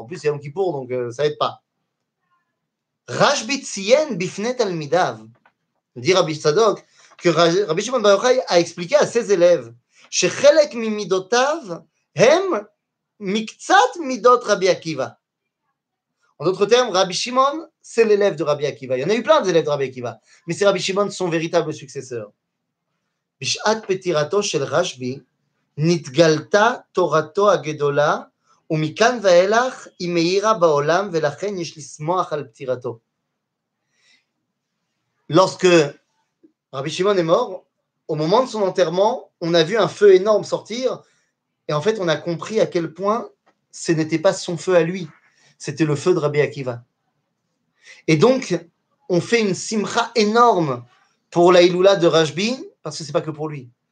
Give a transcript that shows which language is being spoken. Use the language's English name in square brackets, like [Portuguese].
[French] En plus, c'est Yom Kippour, donc ça n'aide pas. Rashbi tzien bifnet al midav, dit Rabbi Tzadok, que Rabbi Shimon Bar Yochai a expliqué à ses élèves [Hebrew] שחלק ממידותיו הם מקצת מידות רבי עקיבא. [French] En d'autres termes, Rabbi Shimon, c'est l'élève de Rabbi Akiva. Il y en a eu plein d'élèves de Rabbi Akiva. Mais c'est Rabbi Shimon, son véritable successeur. [Hebrew] בשעת פטירתו של רשבי, נתגלתה תורתו הגדולה, ומכאן ואילך היא מאירה בעולם, ולכן יש לשמוח על פטירתו. [French] Lorsque Rabbi Shimon est mort, au moment de son enterrement, on a vu un feu énorme sortir, et en fait, on a compris à quel point ce n'était pas son feu à lui, c'était le feu de Rabbi Akiva. Et donc, on fait une simcha énorme pour la Hiloula de Rashbi, parce que ce n'est pas que pour lui.